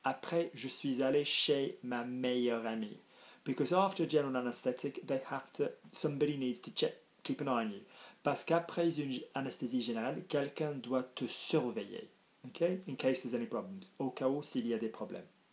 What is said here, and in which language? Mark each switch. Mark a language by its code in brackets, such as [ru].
[fr] Après, je suis allé chez ma meilleure amie. [en] Because after general anesthetic, they have to, somebody needs to check, keep an eye on you. [fr] Parce qu'après une anesthésie générale, quelqu'un doit te surveiller. Okay? [en] In case there's any problems. [fr] Au cas où s'il y a des problèmes.